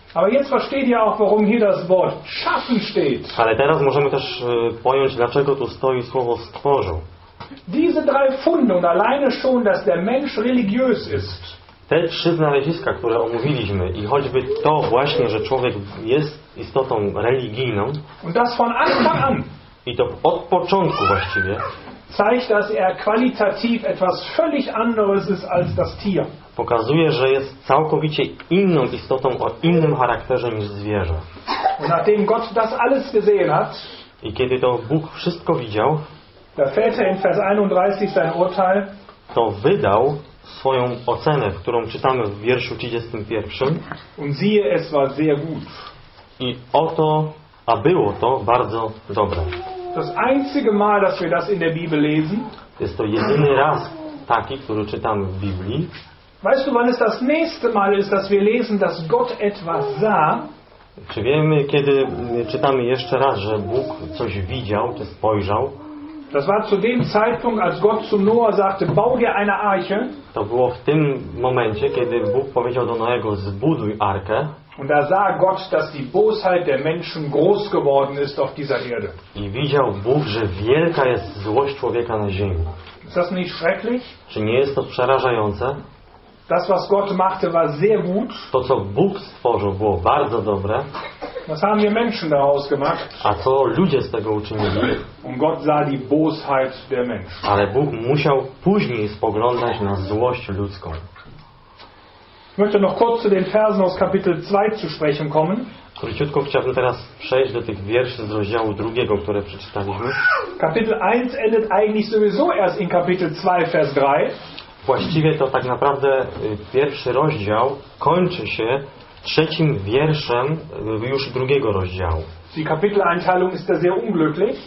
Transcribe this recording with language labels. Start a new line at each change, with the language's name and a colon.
German: Aber jetzt versteht ihr auch, warum hier das Wort schaffen steht.
Polish: Ale teraz możemy też pojąć, dlaczego tu stoi słowo stworzył.
German: Diese drei Funde und alleine schon, dass der Mensch religiös ist.
Polish: Te trzy znaleziska, które omówiliśmy i choćby to właśnie, że człowiek jest istotą religijną.
German: Und das von Anfang an.
Polish: I to od początku właściwie.
German: Zeigt, dass er qualitativ etwas völlig anderes ist als das Tier.
Polish: Pokazuje, że jest całkowicie inną istotą o innym charakterze niż zwierzę.
German: Und nachdem Gott das alles gesehen hat,
Polish: i kiedy to Bóg wszystko widział,
German: da fällt er in Vers 31 sein Urteil,
Polish: to wydał swoją ocenę, którą czytamy w wierszu 31.
German: Und siehe, es war sehr gut.
Polish: I oto, a było to bardzo dobre.
German: Das einzige Mal, dass wir das in der Bibel lesen,
Polish: jest to jedyny raz taki, który czytamy w Biblii.
German: Weißt du, wann es das nächste Mal ist, dass wir lesen, dass Gott etwas sah?
Polish: Czy wiemy, kiedy czytamy jeszcze raz, że Bóg coś widział, czy spojrzał?
German: Das war zu dem Zeitpunkt, als Gott zu Noah sagte: "Bau dir eine Arche."
Polish: To było w tym momencie, kiedy Bóg powiedział do Noego: "Zbuduj arkę."
German: Und da sah Gott, dass die Bosheit der Menschen groß geworden ist auf dieser Erde.
Polish: I widział Bóg, że wielka jest złość człowieka na ziemi.
German: Ist das nicht schrecklich?
Polish: Czy nie jest to przerażające?
German: Das, was Gott machte, war sehr gut.
Polish: To, co Bóg stworzył, było bardzo dobre.
German: Was haben wir Menschen daraus gemacht?
Polish: A co ludzie z tego uczynili?
German: Und Gott sah die Bosheit der Menschen.
Polish: Ale Bóg musiał później spoglądać na złość ludzką.
German: Ich möchte noch kurz zu den Versen aus Kapitel 2 zu sprechen kommen.
Polish: Króciutko chciałbym teraz przejść do tych wierszy z rozdziału drugiego, które przeczytaliśmy.
German: Kapitel 1 endet eigentlich sowieso erst in Kapitel 2, Vers 3.
Polish: Właściwie to tak naprawdę pierwszy rozdział kończy się trzecim wierszem już drugiego rozdziału.
German: Die Kapiteleinteilung ist da sehr unglücklich.